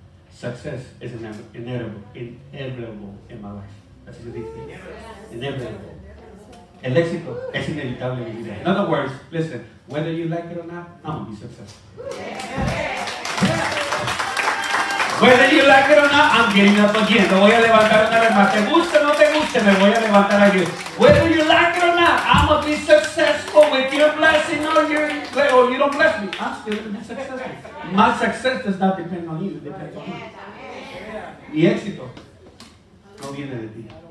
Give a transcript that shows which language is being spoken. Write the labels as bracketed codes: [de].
[en] Success is inevitable in my life. That's what it is. Inevitable. [es] El éxito es inevitable en mi vida. [en] In other words, listen, whether you like it or not, I'm going to be successful. Whether you like it or not, I'm getting up again. [es] Lo voy a levantar una vez más. Te guste o no te guste, me voy a levantar aquí. [en] Whether you like it or not, I'm going to be successful with your blessing or you don't bless me. I'm still going to be successful. My success does not depend on you. It depends on me. [es] Mi éxito no viene de ti.